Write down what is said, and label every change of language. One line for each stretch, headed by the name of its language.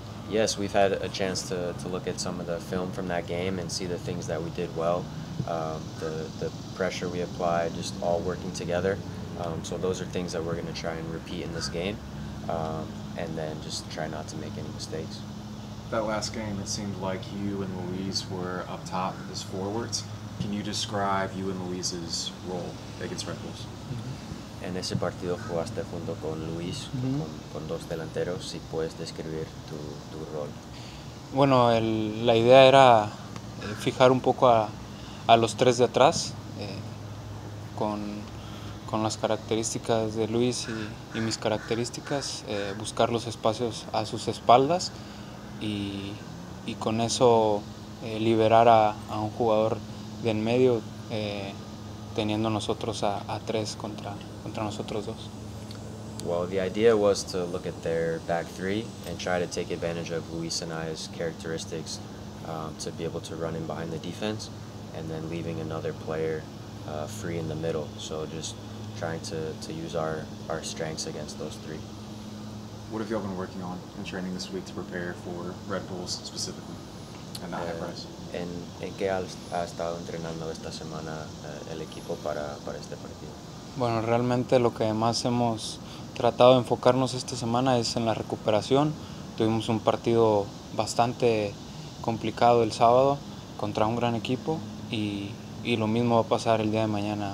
English: Yes, we've had a chance to look at some of the film from that game and see the things that we did well, the pressure we applied, just all working together. So those are things that we're going to try and repeat in this game, and then just try not to make any mistakes. That last game, it seemed like you and Luis were up top as forwards. Can you describe you and Luis's role against Red Bulls?
Spanish: En ese partido jugaste junto con Luis, con dos delanteros. Si puedes describir tu rol. Bueno, la idea era fijar un poco a los tres de atrás, con las características de Luis y mis características, buscar los espacios a sus espaldas y con eso liberar a un jugador de en medio, teniendo nosotros a tres contra nosotros dos.
English: Well, the idea was to look at their back three and try to take advantage of Luis and I's characteristics to be able to run in behind the defense and then leaving another player free in the middle. So just trying to use our strengths against those three. What have y'all been working on in training this week to prepare for Red Bulls specifically and the high press?
Spanish: ¿En qué ha estado entrenando esta semana el equipo para este partido? Bueno, realmente lo que más hemos tratado de enfocarnos esta semana es en la recuperación. Tuvimos un partido bastante complicado el sábado contra un gran equipo y lo mismo va a pasar el día de mañana.